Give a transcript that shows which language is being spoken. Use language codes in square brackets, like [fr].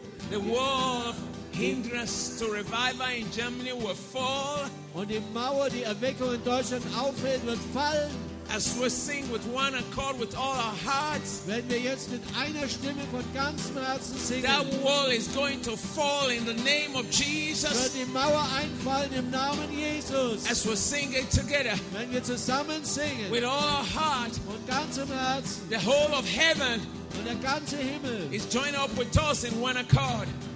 [en] The wall of hindrance to revival in Germany will fall. [de] Und die Mauer, die Erweckung in Deutschland aufhält, wird fallen. [en] As we sing with one accord with all our hearts. [de] Wenn wir jetzt mit einer Stimme von ganzem Herzen singen. [en] That wall is going to fall in the name of Jesus. [de] Wird die Mauer einfallen im Namen Jesus. [en] As we sing it together. [de] Wenn wir zusammen singen. [en] With all our heart. [de] Von ganzem Herzen. [en] The whole of heaven. [de] Und der ganze Himmel. [en] Is joined up with us in one accord.